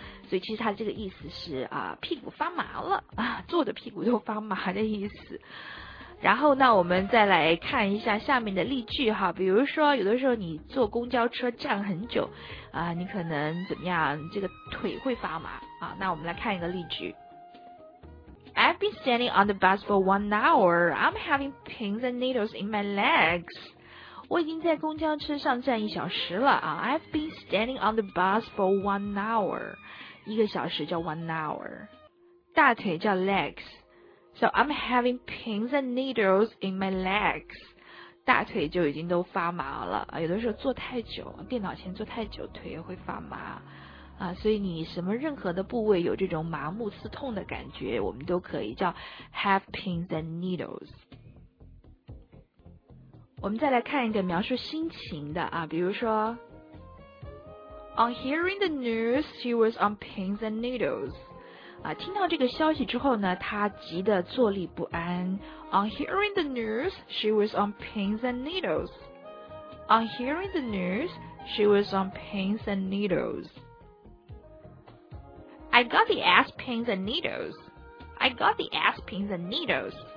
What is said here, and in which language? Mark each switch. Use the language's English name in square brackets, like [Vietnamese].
[Chinese] 所以其实他这个意思是啊，屁股发麻了啊，坐的屁股都发麻的意思。然后呢，我们再来看一下下面的例句哈，比如说有的时候你坐公交车站很久啊，你可能怎么样，这个腿会发麻啊。那我们来看一个例句 [English] I've been standing on the bus for 1 hour. I'm having pins and needles in my legs. [Chinese] 我已经在公交车上站一小时了啊。 [English] I've been standing on the bus for 1 hour. [Chinese] 一个小时叫 [English] 1 hour， [Chinese] 大腿叫 [English] legs。 So I'm having pins and needles in my legs. [Chinese] 大腿就已经都发麻了。有的时候坐太久，电脑前坐太久，腿也会发麻。啊，所以你什么任何的部位有这种麻木刺痛的感觉，我们都可以叫 [English] have pins and needles。 [Chinese] 我们再来看一个描述心情的啊，比如说 [English] On hearing the news, she was on pins and needles. [Chinese] 啊，听到这个消息之后呢，她急得坐立不安。 [English] On hearing the news, she was on pins and needles. On hearing the news, she was on pins and needles. I got the aspirins and needles. I got the aspirins and needles.